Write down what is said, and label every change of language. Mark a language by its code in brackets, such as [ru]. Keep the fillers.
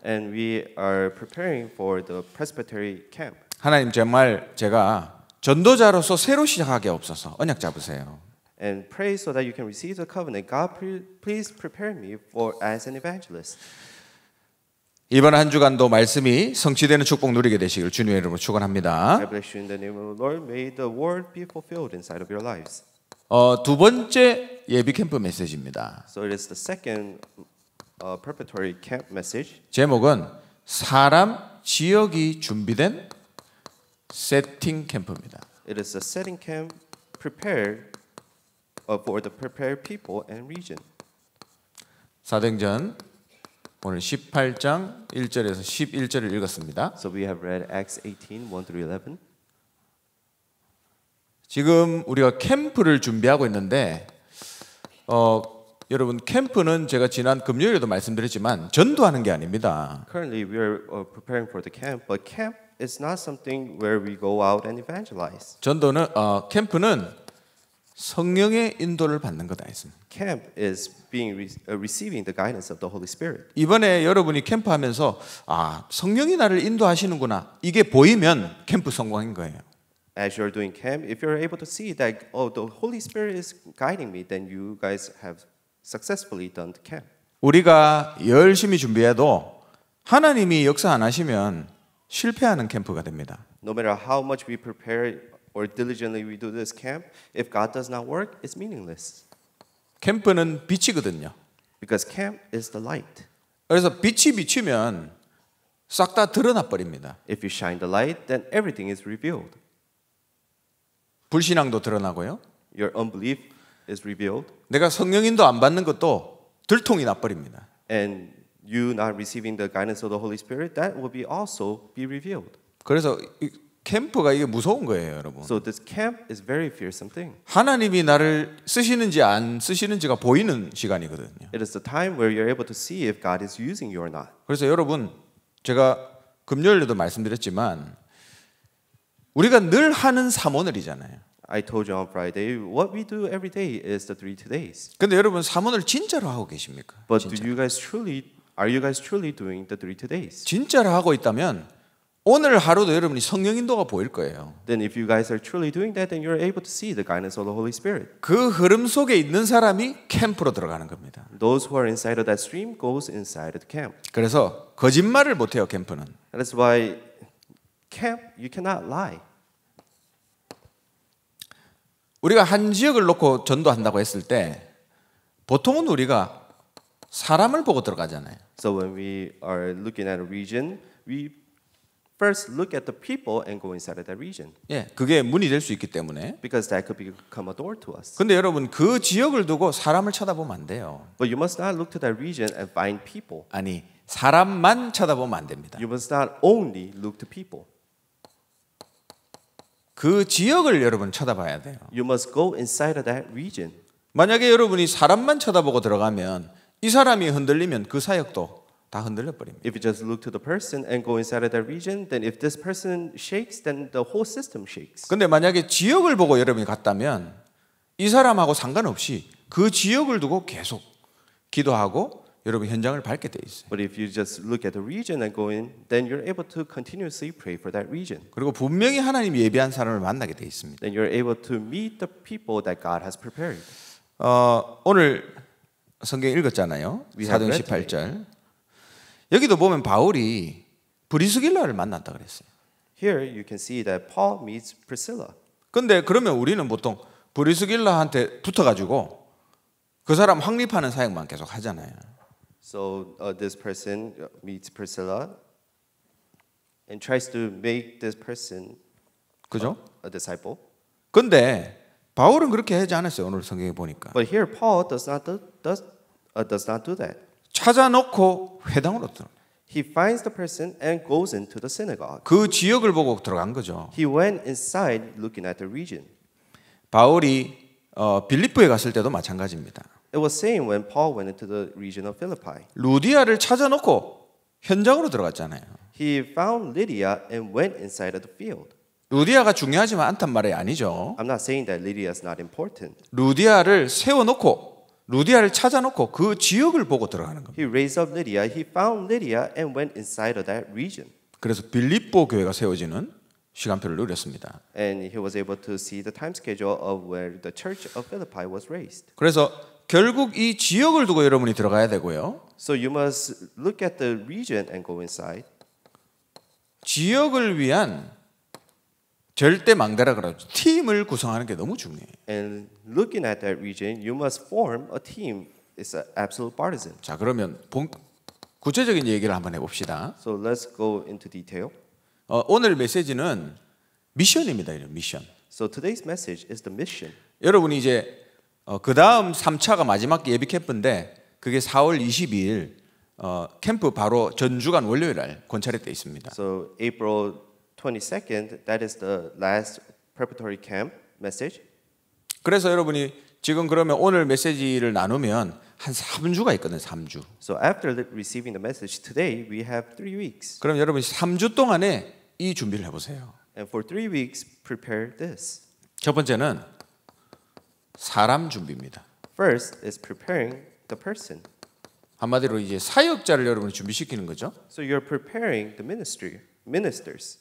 [en] And we are preparing for the presbytery camp. [ko] 하나님 정말 제가 전도자로서 새로 시작하게 없어서 언약 잡으세요. [en] and pray so that you can receive the covenant. God, please prepare me for as an evangelist. [ko] 이번 한 주간도 말씀이 성취되는 축복 누리게 되시길 주님의 이름으로 축원합니다. [en] I bless you in the name of the Lord. May the word be fulfilled inside of your lives. [ko] 어, 두 번째 예비 캠프 메시지입니다. [en] So it is the second uh, preparatory camp message. [ko] 제목은 사람 지역이 준비된 세팅 캠프입니다. [en] It is a setting camp prepared uh, for the prepared people and region. [ko] 사도행전 오늘 18장 1절에서 11절을 읽었습니다. [en] So we have read Acts 18:1-11. [ko] 지금 우리가 캠프를 준비하고 있는데 어 여러분 캠프는 제가 지난 금요일에도 말씀드렸지만 전도하는 게 아닙니다. [en] Currently we are preparing for the camp, but camp is not something where we go out and evangelize. [ko] 전도는 어 캠프는 성령의 인도를 받는 거다 했습니다. [en] Camp is being re receiving the guidance of the Holy Spirit. [ko] 이번에 여러분이 캠프하면서 아 성령이 나를 인도하시는구나 이게 보이면 캠프 성공인 거예요. [en] As you're doing camp, if you're able to see that oh the Holy Spirit is guiding me, then you guys have successfully done the camp. [ko] 우리가 열심히 준비해도 하나님이 역사 안 하시면 실패하는 캠프가 됩니다. [en] No matter how much we prepare. or diligently we do this camp, if God does not work, it's meaningless. [ko] 캠프는 빛이거든요. [en] Because camp is the light. [ko] 그래서 빛이 비치면 싹 다 드러나 버립니다. [en] If you shine the light, then everything is revealed. [ko] 불신앙도 드러나고요. [en] Your unbelief is revealed. [ko] 내가 성령인도 안 받는 것도 들통이 나 버립니다. [en] And you not receiving the guidance of the Holy Spirit, that will be also be revealed. [ko] 그래서 캠프가 이게 무서운 거예요, 여러분. [en] So this camp is very fearsome thing. [ko] 하나님이 나를 쓰시는지 안 쓰시는지가 보이는 시간이거든요. [en] It is the time where you're able to see if God is using you or not. [ko] 그래서 여러분, 제가 금요일에도 말씀드렸지만 우리가 늘 하는 삼오늘이잖아요. [en] I told you on Friday what we do every day is the three todays. [ko] 근데 여러분 삼오늘 진짜로 하고 계십니까? [en] But [ko] 진짜로. [en] do you guys truly are you guys truly doing the three todays? [ko] 진짜로 하고 있다면 오늘 하루도 여러분이 성령 인도가 보일 거예요. [en] Then if you guys are truly doing that, then you're able to see the guidance of the Holy Spirit. [ko] 그 흐름 속에 있는 사람이 캠프로 들어가는 겁니다. [en] Those who are inside of that stream goes inside of the camp. [ko] 그래서 거짓말을 못 해요 캠프는. [en] That's why camp you cannot lie. [ko] 우리가 한 지역을 놓고 전도한다고 했을 때 보통은 우리가 사람을 보고 들어가잖아요. [en] So when we are looking at a region, we first look at the people and go inside of that region. [ko] 예, 그게 문이 될 수 있기 때문에. [en] Because that could become a door to us. [ko] 근데 여러분 그 지역을 두고 사람을 쳐다보면 안 돼요. [en] But you must not look to that region and find people. [ko] 아니, 사람만 쳐다보면 안 됩니다. [en] You must not only look to people. [ko] 그 지역을 여러분 쳐다봐야 돼요. [en] You must go inside of that region. [ko] 만약에 여러분이 사람만 쳐다보고 들어가면 이 사람이 흔들리면 그 사역도 다 흔들려 버립니다. [en] If you just look to the person and go inside of that region, then if this person shakes, then the whole system shakes. [ko] 근데 만약에 지역을 보고 여러분이 갔다면 이 사람하고 상관없이 그 지역을 두고 계속 기도하고 여러분 현장을 밝게 돼 있어요. [en] But if you just look at the region and go in, then you're able to continuously pray for that region. [ko] 그리고 분명히 하나님 예비한 사람을 만나게 돼 있습니다. [en] Then you're able to meet the people that God has prepared. [ko] 어, 오늘 성경 읽었잖아요. 사도행 18절. [en] Today. [ko] 여기도 보면 바울이 브리스길라를 만났다 그랬어요. [en] Here you can see that Paul meets Priscilla. [ko] 근데 그러면 우리는 보통 브리스길라한테 붙어 가지고 그 사람 확립하는 사역만 계속 하잖아요. [en] So uh, this person meets Priscilla and tries to make this person [ko] 그죠? [en] A, a disciple. [ko] 근데 바울은 그렇게 하지 않았어요. 오늘 성경에 보니까. [en] But here Paul does not do, does uh, does not do that. [ko] 찾아놓고 회당으로 들어. [en] He finds the person and goes into the synagogue. [ko] 그 지역을 보고 들어간 거죠. [en] He went inside looking at the region. [ko] 바울이 어, 빌립보에 갔을 때도 마찬가지입니다. [en] It was same when Paul went into the region of Philippi. [ko] 루디아를 찾아놓고 현장으로 들어갔잖아요. [en] He found Lydia and went inside of the field. [ko] 루디아가 중요하지만 않단 말이 아니죠. [en] I'm not saying that Lydia is not important. [ko] 루디아를 세워놓고 루디아를 찾아놓고 그 지역을 보고 들어가는 겁니다. [en] He raised up Lydia. He found Lydia and went inside of that region. [ko] 그래서 빌립보 교회가 세워지는 시간표를 누렸습니다. [en] And he was able to see the time schedule of where the church of Philippi was raised. [ko] 그래서 결국 이 지역을 두고 여러분이 들어가야 되고요. [en] So you must look at the region and go inside. [ko] 지역을 위한 절대 망대라 그러죠. 팀을 구성하는 게 너무 중요해. [en] And looking at that region, you must form a team. It's an absolute partisan. [ko] 자 그러면 본, 구체적인 얘기를 한번 해봅시다. [en] So let's go into detail. [ko] 어, 오늘 메시지는 미션입니다, 이런 미션. [en] So today's message is the mission. [ko] 여러분이 이제 어, 그 다음 3차가 마지막 예비 캠프인데 그게 4월 22일 어, 캠프 바로 전주간 월요일 날 권찰에 돼 있습니다. [en] So April 22nd, that is the last preparatory camp message. [ko] 그래서 여러분이 지금 그러면 오늘 메시지를 나누면 한 3주가 있거든 3주. [en] So after receiving the message today, we have three weeks. [ko] 그럼 여러분 3주 동안에 이 준비를 해 보세요. [en] And for three weeks, prepare this. [ko] 첫 번째는 사람 준비입니다. [en] First is preparing the person. [ko] 한마디로 이제 사역자를 여러분이 준비시키는 거죠. [en] So you're preparing the ministry. ministers.